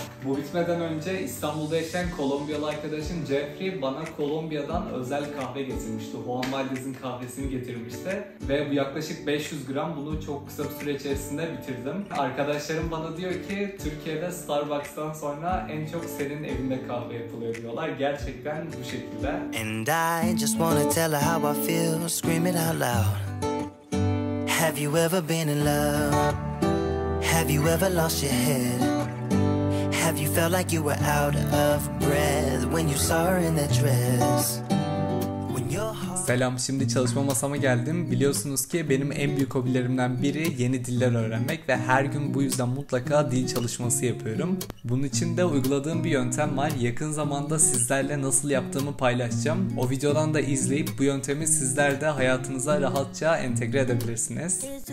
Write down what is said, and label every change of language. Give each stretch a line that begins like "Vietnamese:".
Turkish: Bu bitmeden önce İstanbul'da yaşayan Kolombiyalı arkadaşım Jeffrey bana Kolombiya'dan özel kahve getirmişti. Juan Valdez'in kahvesini getirmişti. Ve bu yaklaşık 500 gram, bunu çok kısa bir süre içerisinde bitirdim. Arkadaşlarım bana diyor ki Türkiye'de Starbucks'tan sonra en çok senin evinde kahve yapılıyor diyorlar. Gerçekten bu şekilde.
English: And I just wanna tell her how I feel, scream it out loud. Have you ever been in love? Have you ever lost your head? Have you felt like you were out of breath when you saw her in that dress?
Turkish: Selam, şimdi çalışma masama geldim. Biliyorsunuz ki benim en büyük hobilerimden biri yeni diller öğrenmek ve her gün bu yüzden mutlaka dil çalışması yapıyorum. Bunun için de uyguladığım bir yöntem var. Yakın zamanda sizlerle nasıl yaptığımı paylaşacağım. O videodan da izleyip bu yöntemi sizler de hayatınıza rahatça entegre edebilirsiniz.